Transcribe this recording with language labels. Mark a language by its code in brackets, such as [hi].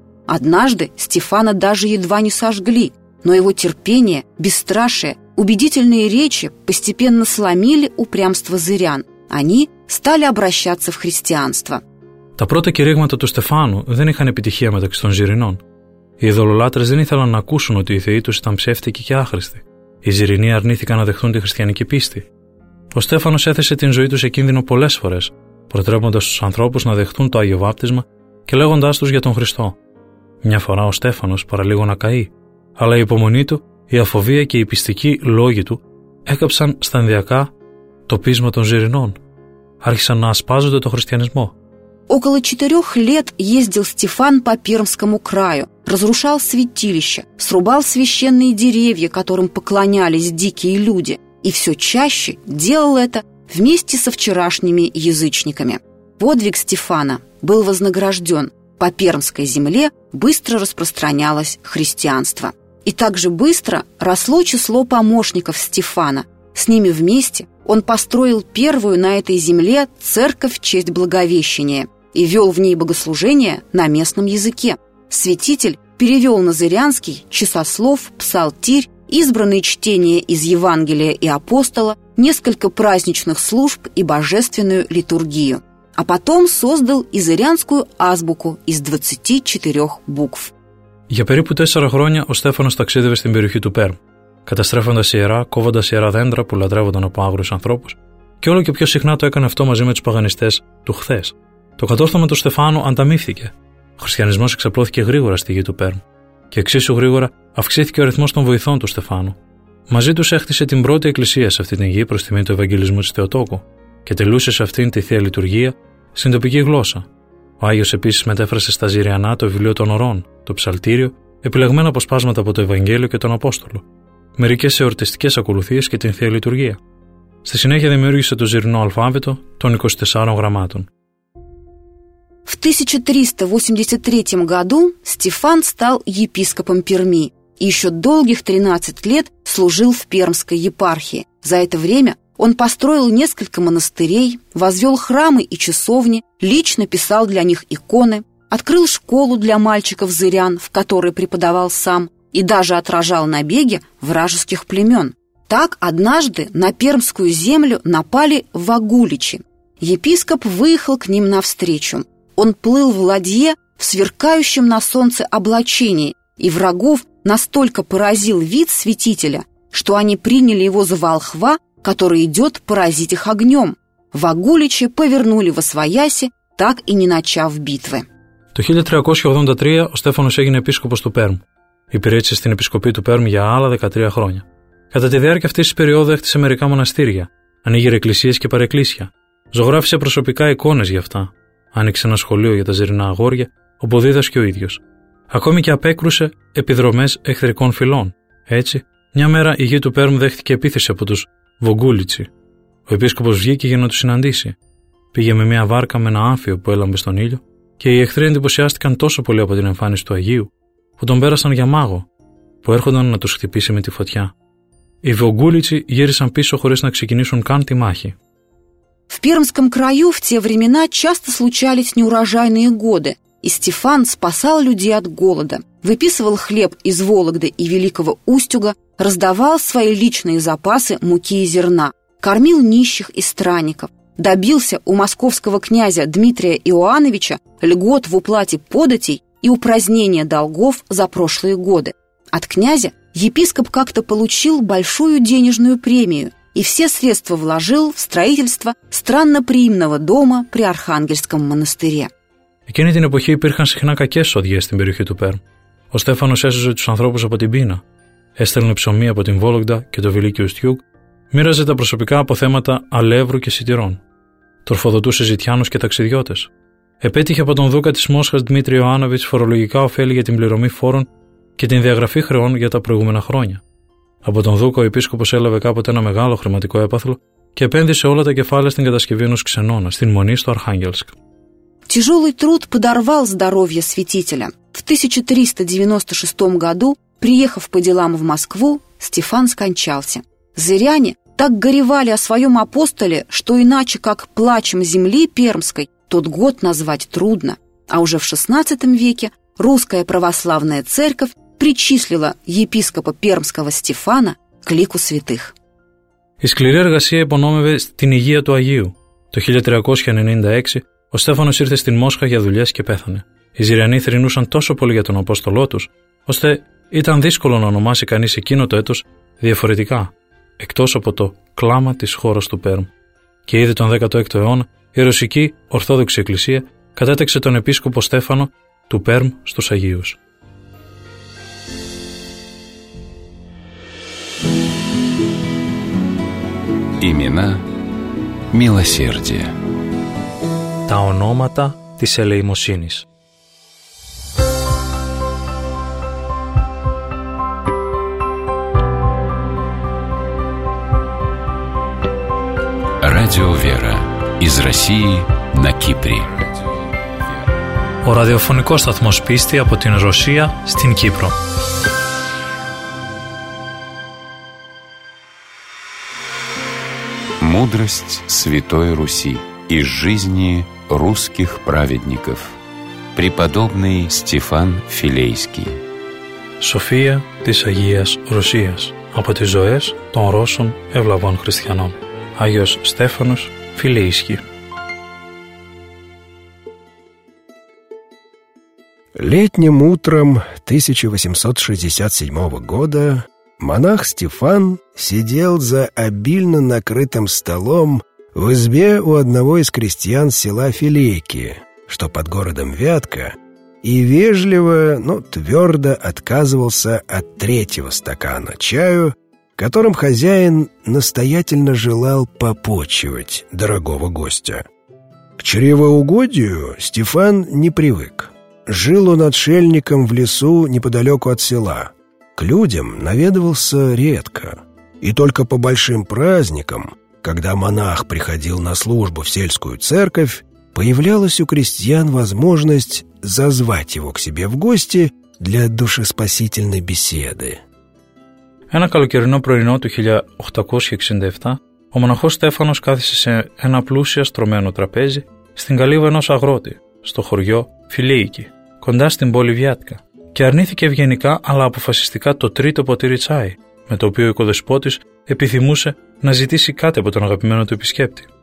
[ru] Однажды Стефана даже едва не сожгли, но его терпение, бесстрашие, убедительные речи постепенно сломили упрямство зырян. Они стали обращаться в христианство. [el] Τα πρώτα κηρύγματα του Στεφάνου δεν είχαν επιτυχία μεταξύ των Ζηρινών. Οι ειδωλολάτρες δεν ήθελαν να ακούσουν ότι οι θεοί τους ήταν ψεύτικοι και άχρηστοι. Οι Ζηρινοί αρνήθηκαν να δεχτούν τη χριστιανική πίστη. Ο Στέφανος έθεσε την ζωή του σε κίνδυνο πολλές φορές, προτρέποντας τους ανθρώπους να δεχτούν το Άγιο Βάπτισμα και λέγοντάς τους για τον Χριστό. Μια φορά ο Στέφανος παραλίγο να καεί, αλλά η υπομονή του, η αφοβία και οι πιστικοί λόγοι του έκαψαν σταδιακά το πείσμα των Ζηρινών. Άρχισαν να ασπάζονται το χριστιανισμό. [ru] Около 4 лет ездил Стефан по Пермскому краю, разрушал святилища, срубал священные деревья, которым поклонялись дикие люди, и все чаще делал это вместе со вчерашними язычниками. Подвиг Стефана был вознагражден. По Пермской земле быстро распространялось христианство. И также быстро росло число помощников Стефана. С ними вместе он построил первую на этой земле церковь в честь Благовещения и вел в ней богослужение на местном языке. Святитель перевел на зырянский часослов, псалтирь, избранные чтения из Евангелия и Апостола, несколько праздничных служб и божественную литургию. а потом создал изырянскую азбуку из 24 букв. [el] Για περίπου 4 χρόνια ο Στέφανος ταξίδευε στην περιοχή του Πέρμ, καταστρέφοντας ιερά, κόβοντας ιερά δέντρα που λατρεύονταν από άγρους ανθρώπους, και όλο και πιο συχνά το έκανε αυτό μαζί με τους παγανιστές του χθες. Το κατόρθωμα του Στεφάνου ανταμείφθηκε. Ο χριστιανισμός εξαπλώθηκε γρήγορα στη γη του Πέρμ, και εξίσου γρήγορα αυξήθηκε ο αριθμός των βοηθών του Στεφάνου. Μαζί τους έχτισε την πρώτη εκκλησία σε αυτή την γη προς τιμή του Ευαγγελισμού της Θεοτόκου και τελούσε σε αυτήν τη θεία λειτουργία στην τοπική γλώσσα. Ο Άγιος επίσης μετέφρασε στα Ζηριανά το βιβλίο των Ορών, το Ψαλτήριο, επιλεγμένα αποσπάσματα από το Ευαγγέλιο και τον Απόστολο, μερικές εορτιστικές ακολουθίες και την θεία λειτουργία. Στη συνέχεια δημιούργησε το Ζηρινό Αλφάβητο των 24 γραμμάτων. [ru] В 1383 году Стефан стал епископом Перми и еще долгих 13 лет служил в Пермской епархии. За это время он построил несколько монастырей, возвел храмы и часовни, лично писал для них иконы, открыл школу для мальчиков-зырян, в которой преподавал сам, и даже отражал набеги вражеских племен. Так однажды на пермскую землю напали вагуличи. Епископ выехал к ним навстречу. Он плыл в ладье в сверкающем на солнце облачении, и врагов настолько поразил вид святителя, что они приняли его за волхва, который идет поразить их огнем. Вагуличи повернули во свояси, так и не начав битвы. [el] Το 1383 ο Στέφανος έγινε επίσκοπος του Πέρμ. Υπηρέτησε στην επισκοπή του Πέρμ για άλλα 13 χρόνια. Κατά τη διάρκεια αυτής της περίοδου έχτισε μερικά μοναστήρια, ανήγειρε εκκλησίες και παρεκκλήσια. Ζωγράφισε προσωπικά εικόνες για αυτά. Άνοιξε ένα σχολείο για τα Ζηρινά αγόρια, όπου δίδασκε ο ίδιος. Ακόμη και απέκρουσε επιδρομές εχθρικών φυλών. Έτσι, μια μέρα η γη του Πέρμ δέχτηκε επίθεση από τους Βογκούλιτσι. Ο επίσκοπος βγήκε για να τους συναντήσει. Πήγε με μια βάρκα με ένα άμφιο που έλαμπε στον ήλιο και οι εχθροί εντυπωσιάστηκαν τόσο πολύ από την εμφάνιση του Αγίου, που τον πέρασαν για μάγο, που έρχονταν να τους χτυπήσει με τη φωτιά. Οι Βογκούλιτσι γύρισαν πίσω χωρίς να ξεκινήσουν καν τη μάχη. [ru] В Пермском краю в те времена часто случались неурожайные годы, и Стефан спасал людей от голода, выписывал хлеб из Вологды и Великого Устюга, раздавал свои личные запасы муки и зерна, кормил нищих и странников, добился у московского князя Дмитрия Иоанновича льгот в уплате податей и упразднения долгов за прошлые годы. От князя епископ как-то получил большую денежную премию – и все средства вложил в строительство странноприимного дома при Архангельском монастыре. [el] Εκείνη την εποχή υπήρχαν συχνά κακές σοδιές στην περιοχή του Πέρμ. Ο Στέφανος έσωζε τους ανθρώπους από την πείνα. Έστελνε ψωμί από την Βόλογδα και το Βιλίκιο Στιούγ. Μοίραζε τα προσωπικά αποθέματα αλεύρου και σιτηρών. Τροφοδοτούσε ζητιάνους και ταξιδιώτες. Επέτυχε από τον Δούκα της Μόσχας Δημήτρη Ιωάννοβιτς φορολογικά ωφέλη για την πληρωμή φόρων και την διαγραφή χρεών για τα προηγούμενα χρόνια. Από τον Δούκο ο επίσκοπος έλαβε κάποτε ένα μεγάλο χρηματικό έπαθλο και επένδυσε όλα τα κεφάλαια στην κατασκευή ενός ξενώνα, στην Μονή στο Αρχάγγελσκ. [ru] Тяжелый труд подорвал здоровье святителя. В 1396 году, приехав по делам в Москву, Стефан скончался. Зыряне так горевали о своем апостоле, что иначе как плачем земли пермской, тот год назвать трудно. А уже в 16 веке русская православная церковь причислила епископа Пермского Стефана к лику святых. [el] Η σκληρή εργασία υπονόμευε την υγεία του Αγίου. Το 1396 ο Στέφανος ήρθε στην Μόσχα για δουλειές και πέθανε. Οι Ζηριανοί θρηνούσαν τόσο πολύ για τον Απόστολό τους, ώστε ήταν δύσκολο να ονομάσει κανείς εκείνο το έτος διαφορετικά, εκτός από το κλάμα της χώρας του Πέρμ. Και ήδη τον 16ο αιώνα η Ρωσική Ορθόδοξη Εκκλησία κατέταξε τον επίσκοπο Στέφανο του Πέρμ στους Αγίους. [ru] Имена милосердия. [el] Τα ονόματα της ελεημοσύνης. [ru] Радио Вера из России на Кипре. [el] Ο ραδιοφωνικός σταθμός πίστη από την Ρωσία στην Κύπρο. [ru] Мудрость Святой Руси из жизни русских праведников. Преподобный Стефан Филейский. [el] София της Агίας Ρωσίας. Από τις ζωές των Ρώσων ευλαβών χριστιανών. Άγιος Στέφανος Φιλέισκι. [ru] Летним утром 1867 года монах Стефан сидел за обильно накрытым столом в избе у одного из крестьян села Филейки, что под городом Вятка, и вежливо, но твердо отказывался от третьего стакана чаю, которым хозяин настоятельно желал попочивать дорогого гостя. К чревоугодию Стефан не привык. Жил он отшельником в лесу неподалеку от села. К людям наведывался редко. И только по большим праздникам, когда монах приходил на службу в сельскую церковь, появлялась у крестьян возможность зазвать его к себе в гости для душеспасительной беседы. [el] Ένα καλοκαιρινό πρωινό του 1867, ο μοναχός Στέφανος κάθισε σε ένα πλούσια στρωμένο τραπέζι στην καλύβα ενός αγρότη, στο χωριό Φιλίκη, κοντά στην πόλη Βιάτκα, και αρνήθηκε ευγενικά αλλά αποφασιστικά το τρίτο ποτήρι τσάι, με το οποίο ο οικοδεσπότης επιθυμούσε να ζητήσει κάτι από τον αγαπημένο του επισκέπτη.